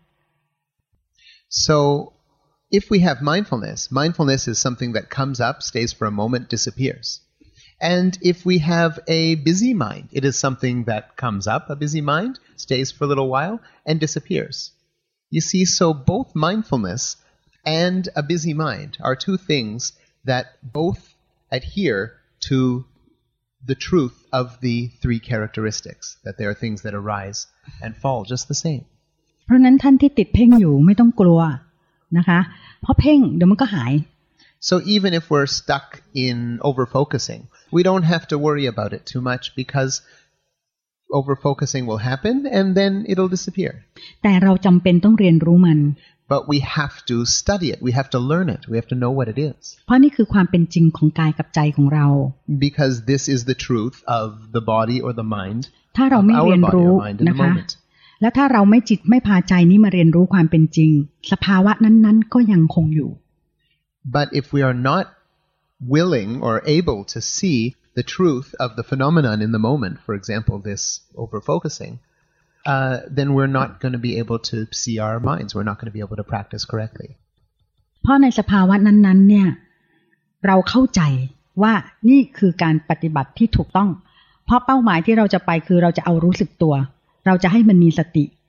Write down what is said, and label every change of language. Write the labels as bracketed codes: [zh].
[en] So if we have mindfulness mindfulness is something that comes up stays for a moment disappears And if we have a busy mind, it is something that comes up, a busy mind, stays for a little while, and disappears. You see, so both mindfulness and a busy mind are two things that both adhere to the truth of the three characteristics, that there are things that arise and fall just the same. [th] เพราะนั้นท่านที่ติดเพ่งอยู่ไม่ต้องกลัวนะคะเพราะเพ่งเดี๋ยวมันก็หาย [en] So even if we're stuck in over-focusing, we don't have to worry about it too much because over-focusing will happen and then it'll disappear. [th] แต่เราจำเป็นต้องเรียนรู้มัน [en] But we have to study it. We have to learn it. We have to know what it is. [th] เพราะนี่คือความเป็นจริงของกายกับใจของเรา [en] Because this is the truth of the body or the mind. [th] ถ้าเราไม่เรียนรู้นะคะและถ้าเราไม่จิตไม่พาใจนี้มาเรียนรู้ความเป็นจริงสภาวะนั้นๆก็ยังคงอยู่ [en] But if we are not willing or able to see the truth of the phenomenon in the moment, for example, this over-focusing, then we're not going to be able to see our minds. We're not going to be able to practice correctly. [th] เพราะในสภาวะนั้นเนี่ยเราเข้าใจว่านี่คือการปฏิบัติที่ถูกต้องเพราะเป้าหมายที่เราจะไปคือเราจะเอารู้สึกตัวเราจะให้มันมีสติ